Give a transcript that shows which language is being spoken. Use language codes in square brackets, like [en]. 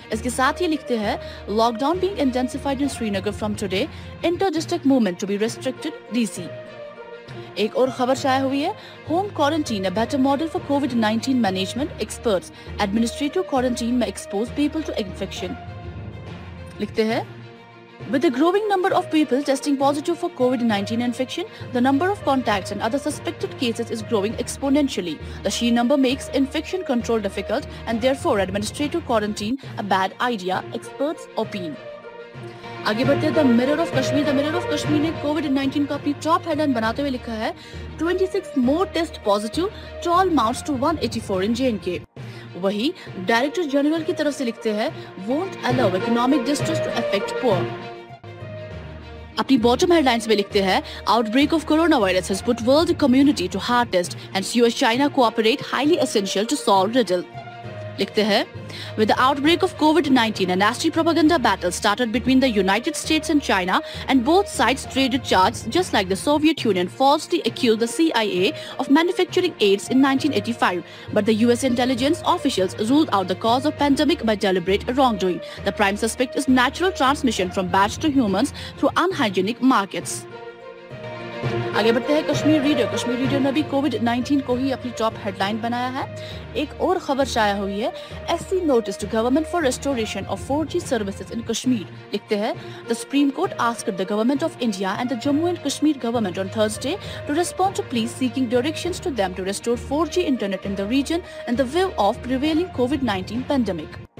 [hi] इसके साथ ही लिखते हैं [en] Lockdown being intensified in Srinagar from today, inter district movement to be restricted DC. [hi] एक और खबर शाया हुई है, [en] Home quarantine a better model for covid management, experts administrative quarantine में expose people to infection. [hi] लिखते हैं [en] With the growing number of people testing positive for COVID-19 infection, the number of contacts and other suspected cases is growing exponentially. The sheer number makes infection control difficult and therefore administrative quarantine a bad idea, experts opine. [hi] आगे बढ़ते हैं, the mirror of Kashmir. The mirror of Kashmir ने कोविड-19 को अपनी top headline बनाते हुए लिखा है [en] 26 more test positive, toll mounts to 184 in J N K. [hi] वही डायरेक्टर जनरल की तरफ से लिखते हैं [en] Won't allow economic distress to affect poor. [hi] अपनी बॉटम हेडलाइंस में लिखते हैं [en] Outbreak of corona virus has put world community to hard test and US China cooperate highly essential to solve riddle. [hi] लिखते हैं [en] With the outbreak of COVID-19, a nasty propaganda battle started between the United States and China, and both sides traded charts just like the Soviet Union falsely accused the CIA of manufacturing AIDS in 1985. But the US intelligence officials ruled out the cause of pandemic by deliberate wrongdoing. The prime suspect is natural transmission from bats to humans through unhygienic markets. [hi] आगे बढ़ते हैं, Kashmir reader. Kashmir reader ने भी कोविड-19 को ही अपनी top headline बनाया है। एक और खबर शाया हुई है, [en] SC notice to government for restoration of 4G services in Kashmir. [hi] लिखते हैं [en] The supreme court asked the government of India and the Jammu and Kashmir government on Thursday to respond to pleas seeking directions to them to restore 4G internet in the region in the view of prevailing कोविड-19 pandemic.